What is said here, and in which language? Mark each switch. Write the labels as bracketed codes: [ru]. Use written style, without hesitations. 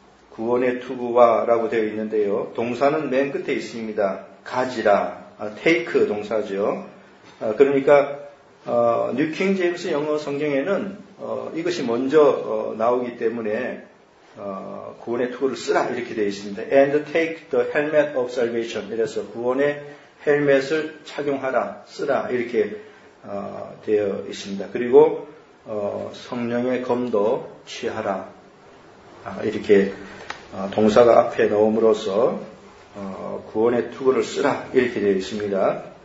[ko] 구원의 투구와 라고 되어 있는데요. 동사는 맨 끝에 있습니다. 가지라, take 동사죠. 그러니까 뉴 킹 제임스 영어 성경에는 이것이 먼저 나오기 때문에 구원의 투구를 쓰라 이렇게 되어 있습니다. [en] And take the helmet of salvation. [ko] 이래서 구원의 헬멧을 착용하라, 쓰라 이렇게 되어 있습니다. 그리고 성령의 검도 취하라. 이렇게 동사가 앞에 넣음으로써 구원의 투구를 쓰라 이렇게 되어 있습니다.